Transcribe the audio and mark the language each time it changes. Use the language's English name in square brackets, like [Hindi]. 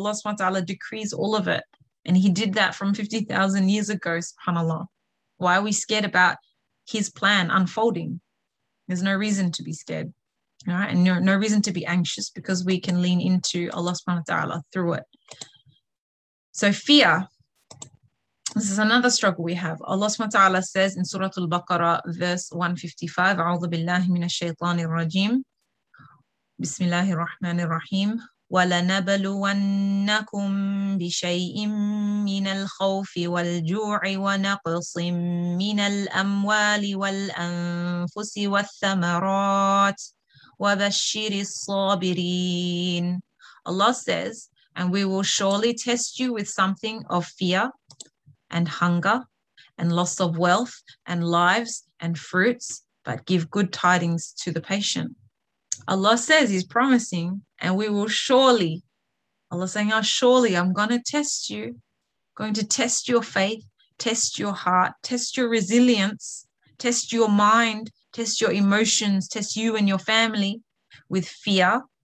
[English] Allah subhanahu wa ta'ala decrees all of it. And he did that from 50,000 years ago, subhanAllah. Why are we scared about his plan unfolding? There's no reason to be scared. All right, and no reason to be anxious because we can lean into Allah subhanahu wa ta'ala through it. So fear, this is another struggle we have. Allah subhanahu wa ta'ala says in Surah Al-Baqarah, verse 155, [Arabic] أعوذ بالله من الشيطان الرجيم بسم الله الرحمن الرحيم وَلَنَبْلُوَنَّكُمْ بِشَيْءٍ مِّنَ الْخَوْفِ وَالْجُوعِ وَنَقْصٍ مِّنَ الْأَمْوَالِ وَالْأَنفُسِ وَالثَّمَرَاتِ وَبَشِّرِ الصَّابِرِينَ. [English] Allah says, and we will surely test you with something of fear and hunger and loss of wealth and lives and fruits, but give good tidings to the patient. Allah says he's promising, and we will surely, Allah saying, oh, surely I'm going to test you, going to test your faith, test your heart, test your resilience, test your mind, test your emotions, test you and your family with fear.